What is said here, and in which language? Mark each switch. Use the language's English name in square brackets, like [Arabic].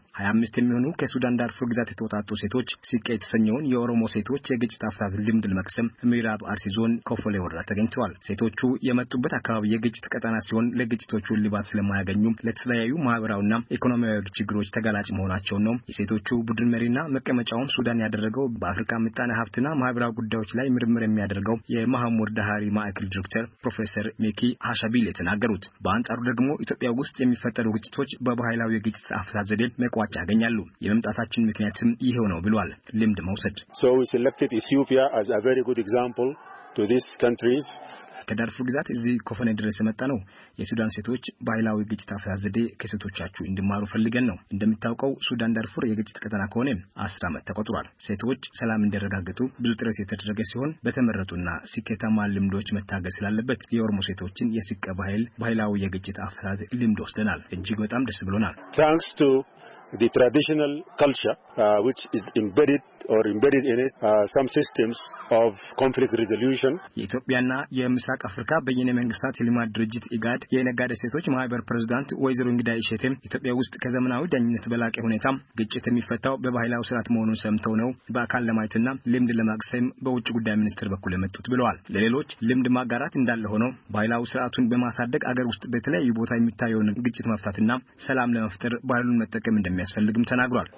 [Amharic] 25 የሚሆኑ ከሱዳን ዳርፉር ግዛት የተወጣጡ ሴቶች ሲቄ የተሰኘውን የኦሮሞ ሴቶች የግጭት አፍታት ልምድ ለመቅሰም ምዕራብ አርሲ ዞን ኮፈሌ ወረዳ ተገኝተዋል። ሴቶቹ የመጡበት አካባቢ የግጭት ቀጠና ሲሆን ለግጭቶቹ እልባት ስለማያገኙ ለተለያዩ ማህበራዊና ኢኮኖሚያዊ ችግሮች ተጋላጭ መሆናቸው ነው። የሴቶቹ ቡድን መሪና መቀመጫውን ሱዳን ያደረገው በአፍሪካ ምጣኔ ሀብትና ማህበራዊ ጉዳዮች ላይ ምርምር የሚያደርገው የማህሙድ ዳሃሪ ማዕከል ዲሬክተር ፕሮፌሰር ሜኪ ሀሻቢል የተናገሩት። በአንጻሩ ደግሞ ኢትዮጵያ ውስጥ የሚፈጠሩ ግጭቶች በባህላዊ የግጭት አፈታት ዘዴ መቋጫ ያገኛሉ። የመምጣታችን ምክንያትም ይሄው ነው ብሏል። ልምድ መውሰድ [English] So we selected Ethiopia as a very good example to these countries. [Amharic] ከዳርፉ ግዛት እዚህ ኮፈኔ ድረስ መጣ ነው የሱዳን ሴቶች ባይላዊ ግጭት አፈዛዘዴ ከሴቶቻቸው እንድማሩ ፈልገን ነው። እንደምታውቀው ሱዳን ዳርፉር የግጭት ቀጠና ከሆነ 10 አመት ተቆጥሯል። ሴቶች ሰላም እንደረጋግጡ ብዙ ጥረት የተደረገ ሲሆን በተመረጡና ሲከታማ ልምዶች መታገስ ላለበት የኦሮሞ ሴቶችን የሲቀባ ኃይል ባይላዊ የግጭት አፈዛዘዴ ልምድ ወስደናል። እጅግ በጣም ደስ ብሎናል። [English] Thanks to the traditional culture which is embedded in it some systems of conflict resolution. [Amharic] ኢትዮጵያና የምስራቅ አፍሪካ በየነ መንግስታት የልማት ድርጅት ኢጋድ የነጋዴ ሴቶች ማህበር ፕሬዝዳንት ወይዘሮ እንግዳ ይሸቴም ኢትዮጵያ ውስጥ ከዘመናዊ ዳኝነት በላቀ ሁኔታ ግጭት የሚፈታው በባህላዊ ስርዓት መሆኑን ሰምተው ነው በአካል ለማየትና ልምድ ለማቅሰም በውጭ ጉዳይ ሚኒስቴር በኩል የመጡት ብለዋል። ለሌሎች ልምድ ማጋራት እንዳለ ሆኖ ባህላዊ ስርዓቱን በማሳደግ አገር ውስጥ በተለያዩ ቦታ የሚታየውን ግጭት መፍታትና ሰላም ለመፍጠር ባህሉን መጠቀም የሚያስፈልግም ተናግሯል።